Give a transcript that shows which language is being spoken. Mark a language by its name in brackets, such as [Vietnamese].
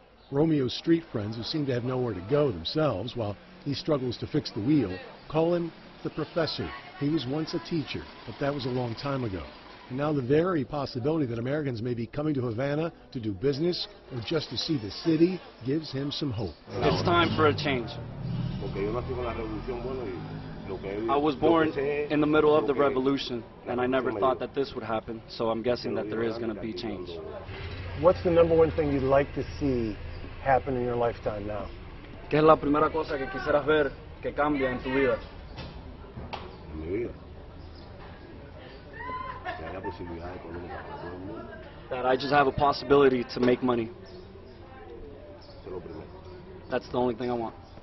[English] Romeo's street friends, who seem to have nowhere to go themselves while he struggles to fix the wheel, call him the professor. He was once a teacher, but that was a long time ago. And now the very possibility that Americans may be coming to Havana to do business or just to see the city gives him some hope. It's time for a change. [Spanish] Okay, yo no estoy con la revolución, bueno, y [English] I was born in the middle of the revolution, and I never thought that this would happen, so I'm guessing that there is going to be change. What's the number one thing you'd like to see happen in your lifetime now? [Spanish] ¿Qué es la primera cosa que quisieras ver que cambia en tu vida? En mi vida. Que haya posibilidad económica para todo el mundo. [English] That I just have a possibility to make money. That's the only thing I want.